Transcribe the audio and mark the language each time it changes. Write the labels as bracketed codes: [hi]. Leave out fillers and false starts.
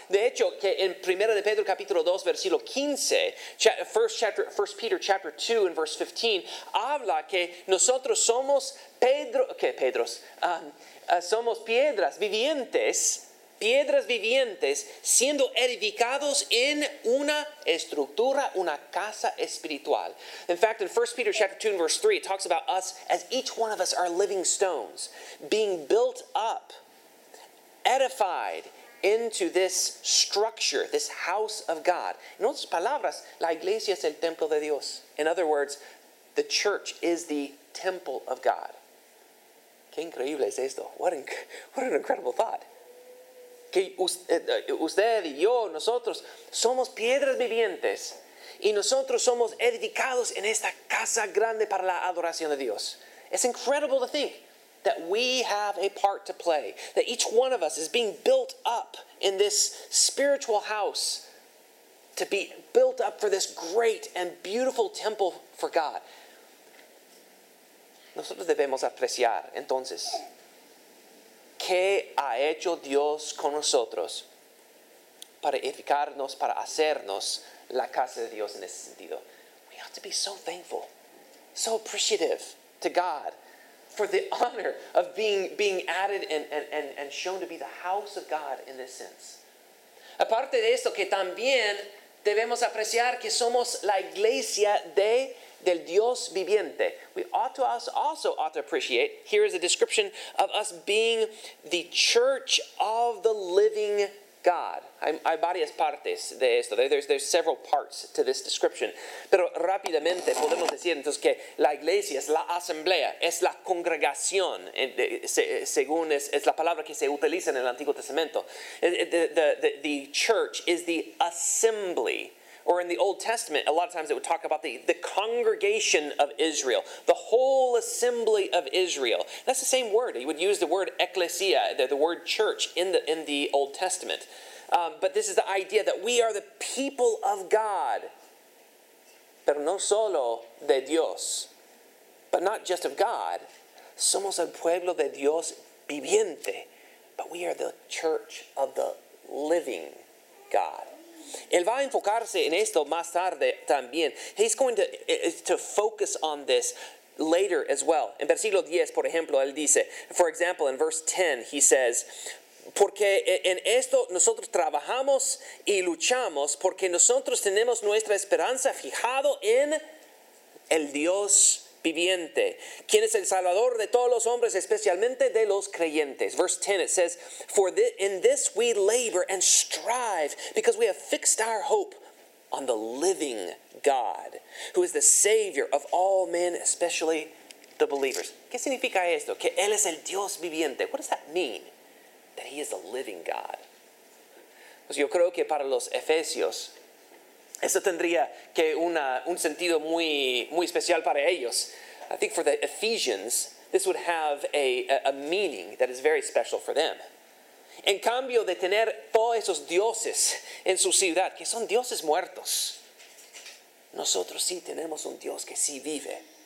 [es] De hecho, que en Primera de Pedro capítulo 2, versículo 15, [en] first Peter chapter 2 and verse 15, [es] habla que nosotros somos Pedro, okay, Pedros, somos piedras vivientes, siendo edificados en una estructura, una casa espiritual. [en] In fact, in 1 Peter chapter 2 and verse 3, it talks about us as each one of us are living stones, being built up, edified into this structure, this house of God. [es] En otras palabras, la iglesia es el templo de Dios. [en] In other words, the church is the temple of God. [es] Qué increíble es esto. [en] What an incredible thought. [es] Que usted y yo, nosotros, somos piedras vivientes. Y nosotros somos edificados en esta casa grande para la adoración de Dios. [en] It's incredible to think that we have a part to play. That each one of us is being built up in this spiritual house. To be built up for this great and beautiful temple for God. [es] Nosotros debemos apreciar, entonces, ¿qué ha hecho Dios con nosotros para edificarnos, para hacernos la casa de Dios en ese sentido? [en] We ought to be so thankful, so appreciative to God for the honor of being added and shown to be the house of God in this sense. [es] Aparte de esto, que también debemos apreciar que somos la iglesia del Dios viviente. [en] We ought to also ought to appreciate, here is a description of us being the church of the living God. [es] Hay varias partes de esto. [en] There's several parts to this description. [es] Pero rápidamente podemos decir entonces que la iglesia es la asamblea, es la congregación, según es la palabra que se utiliza en el Antiguo Testamento. [en] The church is the assembly. Or in the Old Testament, a lot of times it would talk about the congregation of Israel, the whole assembly of Israel. That's the same word. He would use the word ecclesia, the word church, in the Old Testament. But this is the idea that we are the people of God. [es] Pero no solo de Dios. [en] But not just of God. [es] Somos el pueblo de Dios viviente. [en] But we are the church of the living God. [es] Él va a enfocarse en esto más tarde también. [en] He's going to focus on this later as well. [es] En versículo 10, por ejemplo, él dice, [en] for example, in verse 10, he says, [es] porque en esto nosotros trabajamos y luchamos, porque nosotros tenemos nuestra esperanza fijado en el Dios viviente, quien es el salvador de todos los hombres, especialmente de los creyentes. [en] Verse 10, it says, for in this we labor and strive, because we have fixed our hope on the living God, who is the Savior of all men, especially the believers. [es] ¿Qué significa esto? Que Él es el Dios viviente. [en] What does that mean? That He is the living God. [es] Pues yo creo que para los Efesios, eso tendría que un sentido muy, muy especial para ellos. [en] I think for the Ephesians, this would have a meaning that is very special for them. [es] En cambio de tener todos esos dioses en su ciudad, que son dioses muertos, nosotros sí tenemos un Dios que sí vive.